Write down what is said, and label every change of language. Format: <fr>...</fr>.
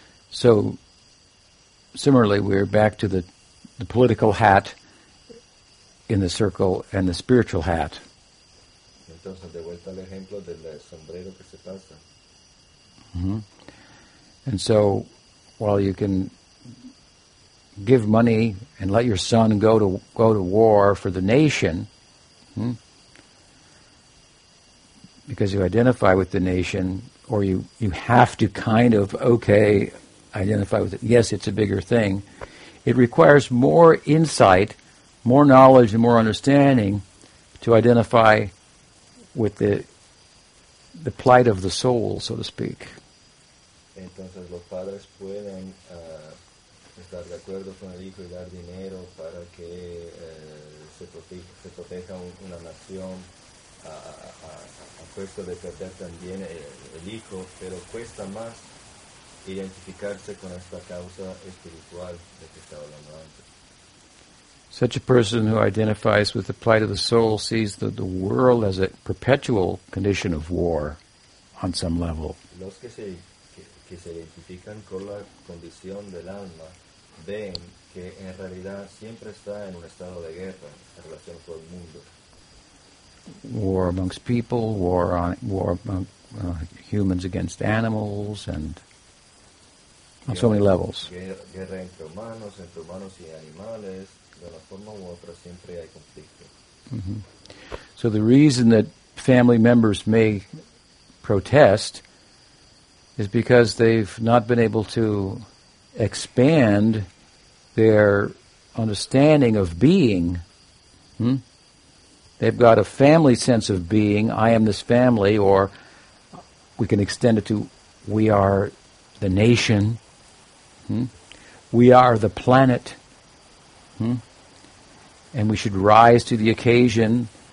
<en>So similarly, we're back to the political hat in the circle and the spiritual hat.</en> <es>Entonces, de vuelta al ejemplo del sombrero que se pasa. Mm-hmm.</es> <en>And so, while you can give money and let your son go to war for the nation, because you identify with the nation, or you have to kind of, okay, identify with it. Yes, it's a bigger thing. It requires more insight, more knowledge, and more understanding to identify with the plight of the soul, so to speak.</en> <es>Entonces los padres pueden estar de acuerdo con el hijo y dar dinero para que se proteja una nación a costa de perder también el hijo, pero cuesta más identificarse con esta causa espiritual de que estaba hablando antes.</es> <en>Such a person who identifies with the plight of the soul sees the world as a perpetual condition of war on some level.</en> <es>Los que se identifican con la condición del alma ven que en realidad siempre está en un estado de guerra en relación con el mundo.</es> <en>War amongst people, war among humans against animals, and on so many levels.</en> <es>Guerra entre humanos y animales. De una forma u otra, siempre hay conflicto. Mm-hmm.</es> <en>So the reason that family members may protest is because they've not been able to expand their understanding of being. They've got a family sense of being, I am this family, or we can extend it to we are the nation, we are the planet, and we should rise to the occasion.</en>